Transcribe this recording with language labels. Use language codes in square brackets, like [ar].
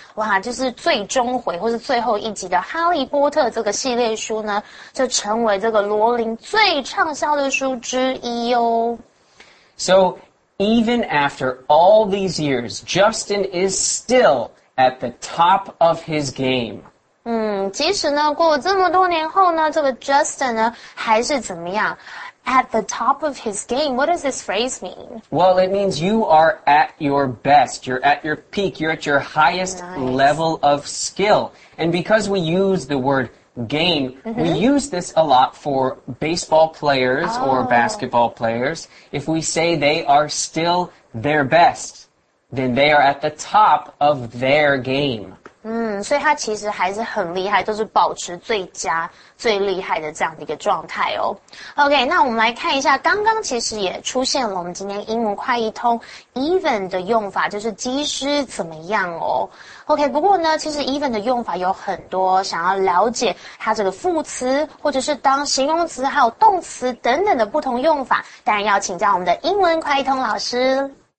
[zh] 哇，就是最终回或是最后一集的《哈利波特》这个系列书呢，就成为这个罗琳最畅销的书之一哦。 [en] So, even after all these years, Justin is still... at the top of his game. [zh] 即使呢过了这么多年后呢这个 Justin 呢还是怎么样 [en] at the top of his game. What does this phrase mean? Well, it means you are at your best. You're at your peak. You're at your highest level of skill. And because we use the word game, we use this a lot for baseball players or basketball players. If we say they are still their best,then they are at the top of their game. [zh] 所以他其实还是很厉害，都是保持最佳、最厉害的这样的一个状态哦。 OK, 那我们来看一下，刚刚其实也出现了我们今天英文快译通 even 的用法，就是即使怎么样哦。 OK, 不过呢，其实 even 的用法有很多，想要了解它这个副词，或者是当形容词，还有动词等等的不同用法，当然要请教我们的英文快译通老师。